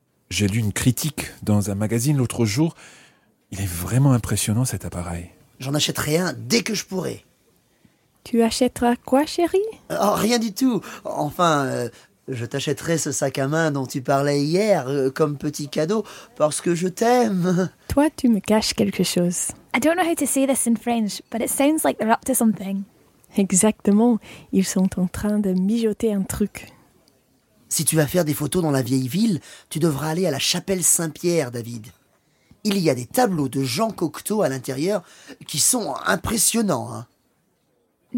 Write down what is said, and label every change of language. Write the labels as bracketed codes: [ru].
[fr] J'ai lu une critique dans un magazine l'autre jour. Il est vraiment impressionnant cet appareil. J'en achèterai un dès que je pourrai. Tu achèteras quoi, chérie? Oh, rien du tout. Enfin, je t'achèterai ce sac à main dont tu parlais hier comme petit cadeau parce que je t'aime. Toi, tu me caches quelque chose. [en] I don't know how to say this in French, but it sounds like they're up to something. [fr] Exactement, ils sont en train de mijoter un truc. Si tu vas faire des photos dans la vieille ville, tu devras aller à la chapelle Saint-Pierre, David. Il y a des tableaux de Jean Cocteau à l'intérieur qui sont impressionnants. Hein.